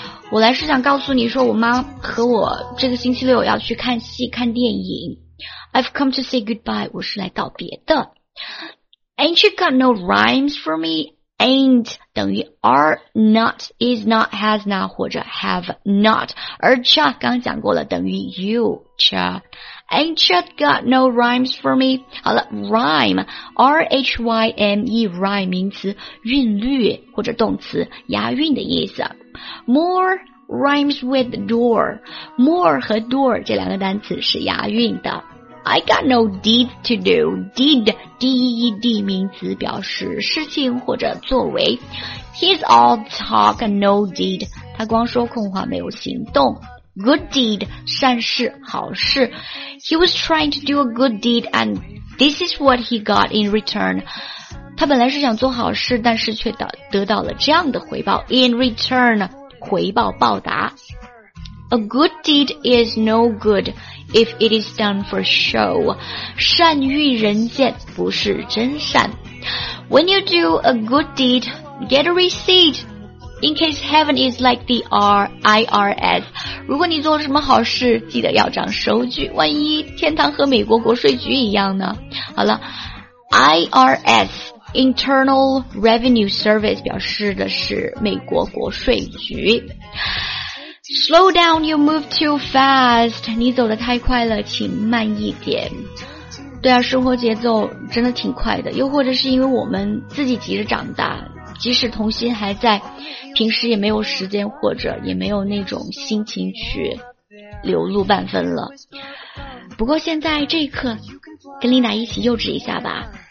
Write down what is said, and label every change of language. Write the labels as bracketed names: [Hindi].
[Chinese] 我来是想告诉你说我妈和我这个星期六要去看戏看电影 [English] I've come to say goodbye [Chinese] 我是来道别的 [English] Ain't you got no rhymes for meAin't [Chinese] 等于 [English] are not, is not, has not, [Chinese] 或者 have not. 而 cha 刚讲过了等于 you, cha. [English] Ain't cha got no rhymes for me? [Chinese] 好了 rhyme, R-H-Y-M-E, rhyme 名词韵律或者动词押韵的意思。 [English] More rhymes with door. [Chinese] More 和 door 这两个单词是押韵的。 [English] I got no deed to do. [Chinese] Deed, D-E-E-D, 名词表示事情或者作为。 [English] He's all talk and no deed. [Chinese] 他光说空话没有行动。 Good deed, 善事好事。 [English] He was trying to do a good deed and this is what he got in return. [Chinese] 他本来是想做好事但是却得到了这样的回报。 In return, 回报报答。 [English] A good deed is no good. If it is done for show, [Chinese] 善欲人见不是真善。 [English] When you do a good deed, get a receipt. In case heaven is like the IRS, [Chinese] 如果你做了什么好事，记得要张收据。万一天堂和美国国税局一样呢？好了 ，IRS Internal Revenue Service 表示的是美国国税局。 [English] Slow down, you move too fast. [Chinese] 你走得太快了，请慢一点。对啊，生活节奏真的挺快的。又或者是因为我们自己急着长大，即使童心还在，平时也没有时间或者也没有那种心情去流露半分了。不过现在这一刻，跟丽娜一起幼稚一下吧。